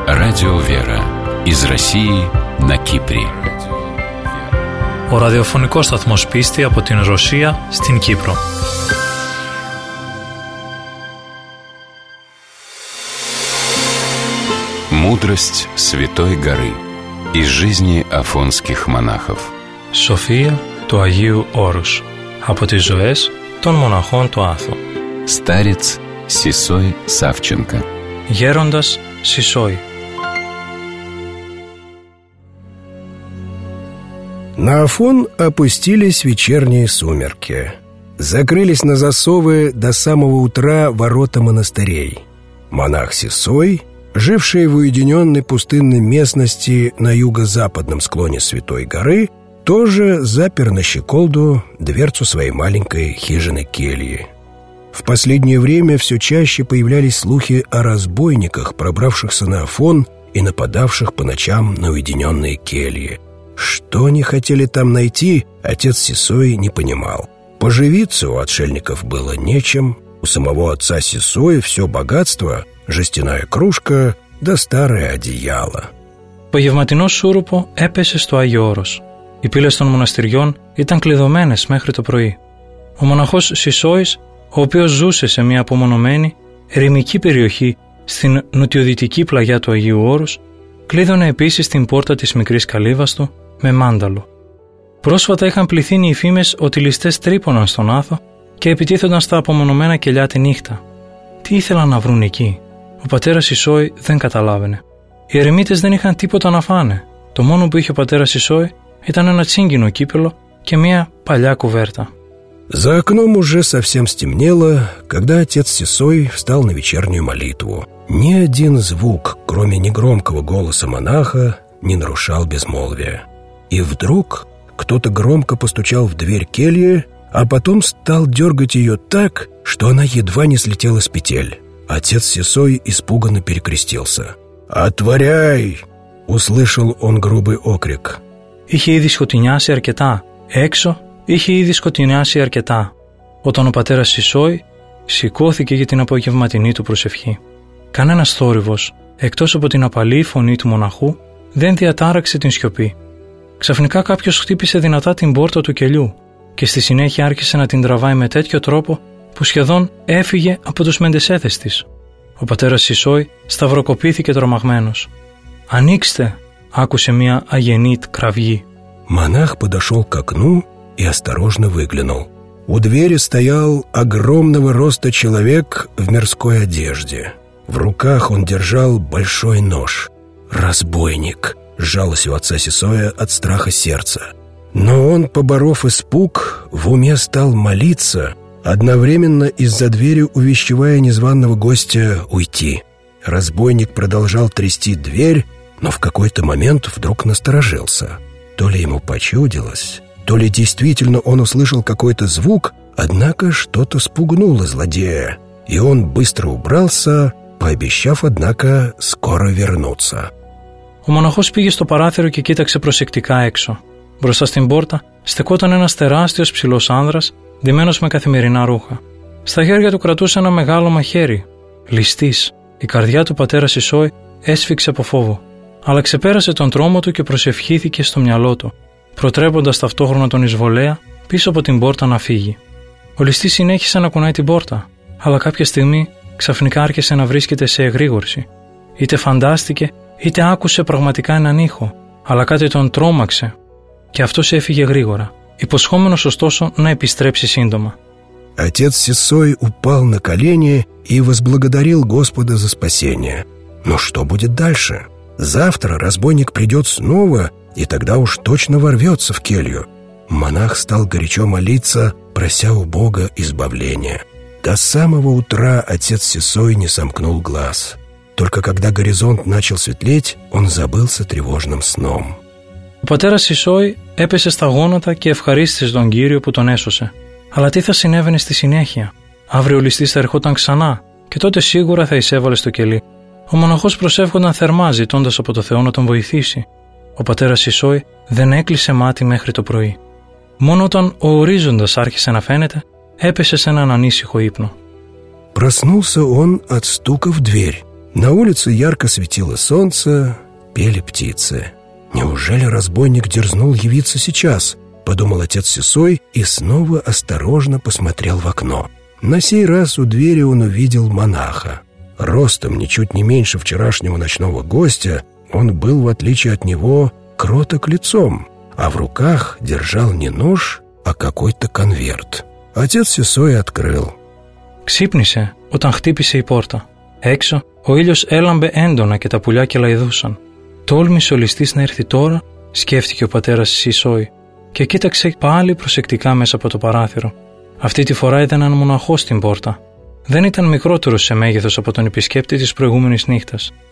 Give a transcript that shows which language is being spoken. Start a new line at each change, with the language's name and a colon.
Russian: Радио Вера из России на Кипре.
Greek: Ο ραδιοφωνικός σταθμός πίστη από την Ρωσία στην Κύπρο.
Russian: Мудрость Святой Горы из жизни афонских монахов.
Greek: Σοφία του Αγίου Όρους, από τις ζωές των μοναχών του Άθου.
Russian: Στάριτς Σισόι Σάφτσενκα.
Greek: Γέροντας Σισόι.
Russian: На Афон опустились вечерние сумерки. Закрылись на засовы до самого утра ворота монастырей. Монах Сисой, живший в уединенной пустынной местности на юго-западном склоне Святой горы, тоже запер на щеколду дверцу своей маленькой хижины-кельи. В последнее время все чаще появлялись слухи о разбойниках, пробравшихся на Афон и нападавших по ночам на уединенные кельи. Что они хотели там найти, отец Сисой не понимал. Поживиться у отшельников было нечем. У самого отца Сисой все богатство, жестяная кружка да старое одеяло.
Greek: Погευματινό σούρουπο έπεσε στο Άγιο Όρος. Οι πύλες των μοναστηριών ήταν κλειδωμένες μέχρι το πρωί. Ο μοναχός Σισόης, ο οποίος ζούσε σε μια απομονωμένη, ερημική περιοχή στην νοτιοδυτική πλαγιά του Αγίου Όρους, κλείδωνε επίσης την πόρτα της μικρής καλύβας του με μάνταλο. Πρόσφατα είχαν πληθύνει οι φήμες ότι ληστές τρύπωναν στον Άθο και επιτίθονταν στα απομονωμένα κελιά τη νύχτα. Τι ήθελαν να βρουν εκεί? Ο πατέρας Σισόη δεν καταλάβαινε. Οι ερημίτες δεν είχαν τίποτα να φάνε. Το μόνο που είχε ο πατέρας Σισόη ήταν ένα τσίγκινο κύπελο και μια παλιά κουβέρτα.
Russian: За окном уже совсем стемнело, когда отец Сисой встал на вечернюю молитву. Ни один звук, кроме негромкого голоса монаха, не нарушал безмолвия. И вдруг кто-то громко постучал в дверь кельи, а потом стал дергать ее так, что она едва не слетела с петель. Отец Сисой испуганно перекрестился. «Отворяй!» — услышал он грубый окрик.
Greek: «Ихе иди схотиняси аркета, эксо!» Είχε ήδη σκοτεινιάσει αρκετά, όταν ο πατέρας Σισόη σηκώθηκε για την απογευματινή του προσευχή. Κανένας θόρυβος, εκτός από την απαλή φωνή του μοναχού, δεν διατάραξε την σιωπή. Ξαφνικά κάποιος χτύπησε δυνατά την πόρτα του κελιού και στη συνέχεια άρχισε να την τραβάει με τέτοιο τρόπο που σχεδόν έφυγε από τους μεντεσέθες της. Ο πατέρας Σισόη σταυροκοπήθηκε τρομαγμένος. «Ανοίξτε!» άκουσε μια αγενή κραυγή.
Russian: Монах подошёл к окну и осторожно выглянул. У двери стоял огромного роста человек в мирской одежде. В руках он держал большой нож. «Разбойник!» — сжалось у отца Сисоя от страха сердца. Но он, поборов испуг, в уме стал молиться, одновременно из-за двери увещевая незваного гостя уйти. Разбойник продолжал трясти дверь, но в какой-то момент вдруг насторожился. То ли ему почудилось, то ли действительно он услышал какой-то звук, однако что-то спугнуло злодея, и он быстро убрался, пообещав, однако, скоро вернуться.
Greek: Ο μοναχός πήγε στο παράθυρο και κοίταξε προσεκτικά έξω. Μπροστά στην πόρτα στεκόταν ένας τεράστιος ψηλός άνδρας, ντυμένος με καθημερινά ρούχα. Στα χέρια του κρατούσε ένα μεγάλο μαχαίρι. Ληστής, η καρδιά του πατέρα Σισόη έσφιξε από φόβο. Αλλά ξεπέρασε τον τρόμο του και προσευχήθηκε στο μυαλό του, προτρέποντας ταυτόχρονα τον εισβολέα πίσω από την πόρτα να φύγει. Ο ληστής συνέχισε να κουνάει την πόρτα, αλλά κάποια στιγμή ξαφνικά άρχισε να βρίσκεται σε εγρήγορση. Είτε φαντάστηκε, είτε άκουσε πραγματικά έναν ήχο, αλλά κάτι τον τρόμαξε και αυτός έφυγε γρήγορα, υποσχόμενος ωστόσο να επιστρέψει σύντομα.
Russian: Отец Сисой упал на колени и возблагодарил Господа за спасение. Но что будет дальше? Завтра разбойник придет снова, и тогда уж точно ворвется в келью. Монах стал горячо молиться, прося у Бога избавления. До самого утра отец Сисой не сомкнул глаз. Только когда горизонт начал светлеть, он забылся тревожным сном.
Greek: Ο πατέρας Σισόη έπεσε στα γόνατα και ευχαρίστησε τον Κύριο που τον έσωσε. Αλλά τι θα συνέβαινε στη συνέχεια? Αύριο ο ληστής θα ερχόταν ξανά και τότε σίγουρα θα εισέβαλε στο κελί. Ο μοναχός προσεύχονταν θερμά, ζητώντας από το Θεό να τον βοηθήσει. Ο πατέρας Σισόη δεν έκλεισε μάτι μέχρι το πρωί. Μόνο όταν ο ορίζοντας άρχισε να φαίνεται, έπεσε σε έναν ανήσυχο ύπνο.
Russian: Проснулся он от стука в дверь. На улице ярко светило солнце, пели птицы. Неужели разбойник дерзнул явиться сейчас? Подумал отец Сисой и снова осторожно посмотрел в окно. На сей раз у двери он увидел монаха. Ростом ничуть не меньше вчерашнего ночного гостя, он был, в отличие от него, кроток лицом, а в руках держал не нож, а какой-то конверт. Отец Сесой открыл.
Greek: Ξύπνησε, όταν χτύπησε η πόρτα. Έξω, ο ήλιος έλαμπε έντονα και τα πουλιά κελαϊδούσαν. Τόλμησε ο ληστής να έρθει τώρα, σκέφτηκε ο πατέρας Σισόη, και κοίταξε πάλι προσεκτικά μέσα από το παράθυρο. Αυτή τη φορά είδε έναν μοναχό στην πόρτα. Δεν ήταν μικρότερο σε μέγεθος από τον επισκέπτη της προηγούμενης νύχτας.